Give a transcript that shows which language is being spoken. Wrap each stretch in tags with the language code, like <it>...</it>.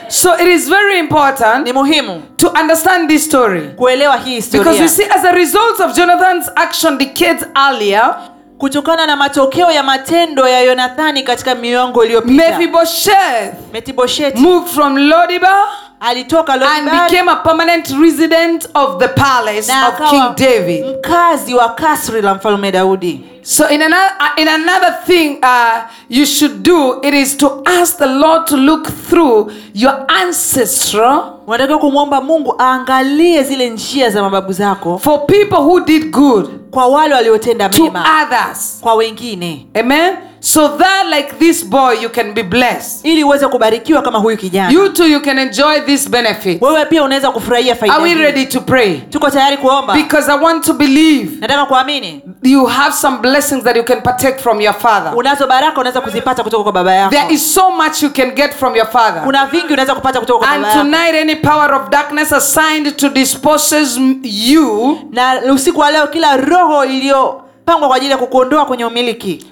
<en>So it is very important to understand this story, because you see, as a result of Jonathan's action decades earlier,</en> <sw>kutokana na matokeo ya matendo ya Yonathani katika miongo iliyopita,</sw> <en>Mephibosheth moved from Lodibar,</en> <sw>alitoka Lodibar,</sw> <en>and became a permanent resident of the palace of King David,</en> <sw>mkazi wa kasri la mfalme Daudi.</sw> <en>So in another thing you should do, it is to ask the Lord to look through your ancestral.</en> <sw>Unataka kumwomba Mungu aangalie zile njia za mababu zako.</sw> <en>For people who did good.</en> <sw>Kwa wale waliotenda mema.</sw> <en>To others.</en> <sw>Kwa wengine.</sw> <en>Amen. So that, like this boy, you can be blessed.</en> <sw>Ili uweze kubarikiwa kama huyu kijana.</sw> <en>You too, you can enjoy this benefit.</en> <sw>Wewe pia unaweza kufurahia faida.</sw> <en>Are we ready to pray?</en> <sw>Tuko tayari kuomba.</sw> <en>Because I want to believe.</en> <sw>Nataka kuamini.</sw> <en>You have some blessings that you can partake from your father.</en> <sw>Unazo baraka unaweza kuzipata kutoka kwa baba yako.</sw> <en>There is so much you can get from your father.</en> <sw>Kuna vingi unaweza kupata kutoka kwa baba yako.</sw> <en>And tonight, any power of darkness assigned to dispossess you.</en> <sw>Na usiku wa leo kila roho iliyo pangwa kwa ajili ya kukuondoa kwenye umiliki,</sw>